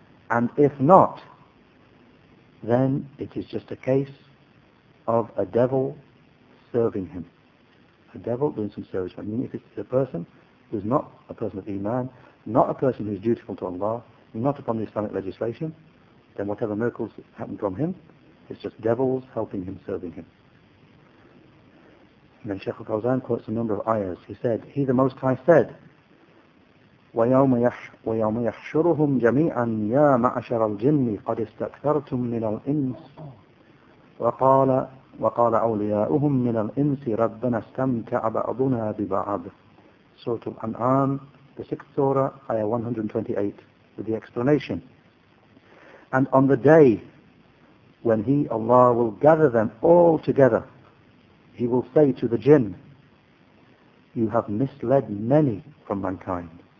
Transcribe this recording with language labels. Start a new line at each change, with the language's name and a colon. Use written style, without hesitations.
English: And if not, then it is just a case of a devil serving him, a devil doing some service. I mean, if it's a person who is not a person of Iman, not a person who is dutiful to Allah, not upon the Islamic legislation, then whatever miracles happen from him, it's just devils helping him, serving him. And then Shaykh al-Fawzan quotes a number of ayahs. He said, He the Most High said,
Arabic: وَيَوْمَ يَحْشُرُهُمْ جَمِيعًا يَا مَعَشَرَ الْجِنِّ قَدِ اسْتَكْثَرْتُمْ مِنَ الْإِنسِ وَقَالَ أَوْلِيَاؤُهُمْ مِنَ الْإِنسِ رَبَّنَا اسْتَمْتَعَ بَعْضُنَا بِبَعْضٍ.
English: Surah Al-An'am, the 6th Surah, Ayah 128, with the explanation. And on the day when He, Allah, will gather them all together, He will say to the jinn, You have misled many from mankind.